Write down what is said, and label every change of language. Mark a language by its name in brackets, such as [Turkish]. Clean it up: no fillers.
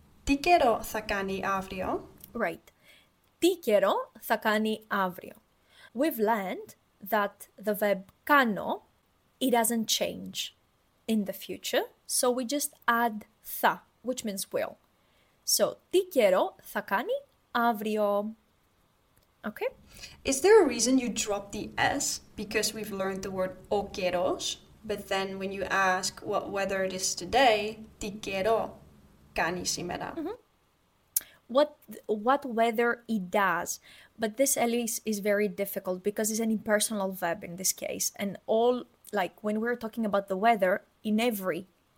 [Greek] Τι καιρό θα κάνει αύριο? [English] Right. [Greek] Τι καιρό θα κάνει αύριο? [English] We've learned that the verb κάνω, it doesn't change in the future, so we just add θα, which means will. [Greek] So, τι καιρό θα κάνει αύριο? [English] Okay? Is there a reason you drop the S? Because we've learned the word ο καιρός. But then when you ask what weather it is today, [Greek] τι καιρό κάνει σήμερα? [English] Mm-hmm. What weather it does. But this, Elise, is very difficult because it's an impersonal verb in this case. And all, like, when we're talking about the weather, in every